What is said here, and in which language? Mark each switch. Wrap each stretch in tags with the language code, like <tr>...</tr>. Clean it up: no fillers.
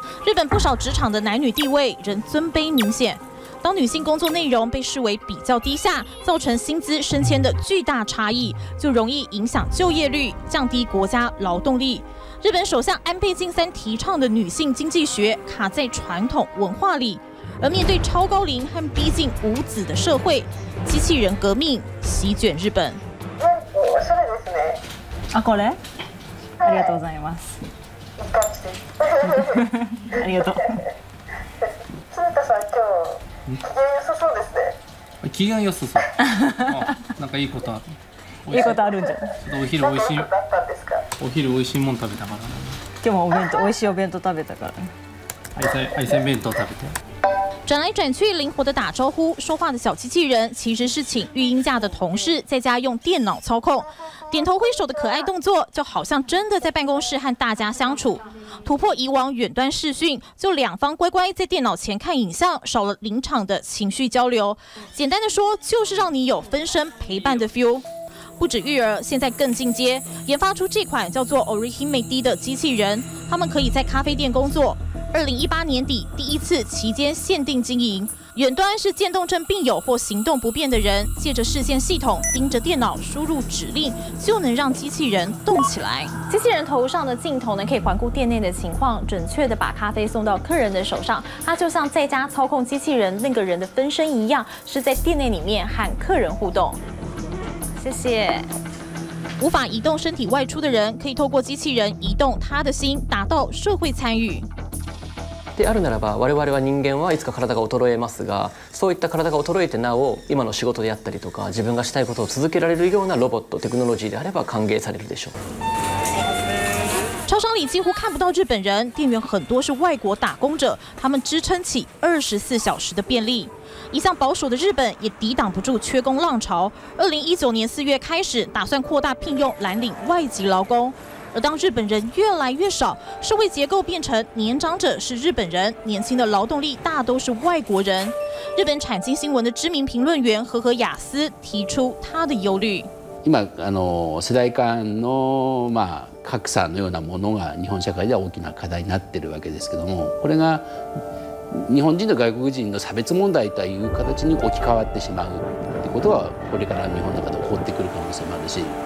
<zh>日本不少职场的男女地位仍尊卑明显，当女性工作内容被视为比较低下，造成薪资升迁的巨大差异，就容易影响就业率，降低国家劳动力。日本首相安倍晋三提倡的女性经济学卡在传统文化里。而面对超高龄和逼近无子的社会，机器人革命席卷日本。</zh> <ja>啊，これ？ありがとうございます。ありがとう。スネタさん今日機嫌良さそうですね。機嫌良さそう。なんかいいことある。いいことあるんじゃない？ちょっとお昼おいしい。なんかあったんですか？お昼おいしいもん食べたから。今日もお弁当、おいしいお弁当食べたから。愛せん弁当食べて。</ja> <zh>转来转去，灵活的打招呼、说话的小机器人，其实是请育婴假的同事在家用电脑操控。点头挥手的可爱动作，就好像真的在办公室和大家相处。突破以往远端视讯，就两方乖乖在电脑前看影像，少了临场的情绪交流。简单的说，就是让你有分身陪伴的 feel。不止育儿，现在更进阶，研发出这款叫做 Orihimedi 的机器人，他们可以在咖啡店工作。 2018年底第一次期间限定经营，远端是渐冻症病友或行动不便的人，借着视线系统盯着电脑输入指令，就能让机器人动起来。机器人头上的镜头呢，可以环顾店内的情况，准确的把咖啡送到客人的手上。它就像在家操控机器人那个人的分身一样，是在店内里面和客人互动。谢谢。无法移动身体外出的人，可以透过机器人移动他的心，达到社会参与。</zh> <ja>であるならば、我々は人間はいつか体が衰えますが、そういった体が衰えてなお今の仕事であったりとか自分がしたいことを続けられるようなロボットテクノロジーであれば歓迎されるでしょう。</ja> <zh>超商里几乎看不到日本人，店员很多是外国打工者，他们支撑起24小时的便利。一向保守的日本也抵挡不住缺工浪潮。2019年4月开始，打算扩大聘用蓝领外籍劳工。而当日本人越来越少，社会结构变成年长者是日本人，年轻的劳动力大都是外国人。日本产经新闻的知名评论员和和雅斯提出他的忧虑。</zh> <ja>今世代間の格差のようなものが日本社会では大きな課題になっているわけですけども、これが日本人と外国人の差別問題という形に置き換わってしまうということは、これから日本の中で起こってくる可能性もあるし。</ja>